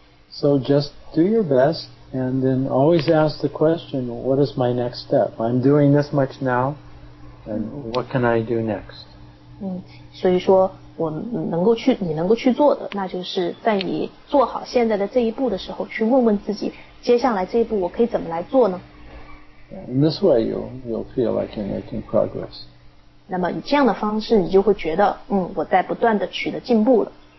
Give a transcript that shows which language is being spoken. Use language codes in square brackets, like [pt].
[en] So just do your best, and then always ask the question, what is my next step? I'm doing this much now, and what can I do next? [zh] 所以说我能够去，你能够去做的，那就是在你做好现在的这一步的时候，去问问自己，接下来这一步我可以怎么来做呢？ [en] In this way, you'll feel like you're making progress. [zh] 那么以这样的方式，你就会觉得，我在不断的取得进步了。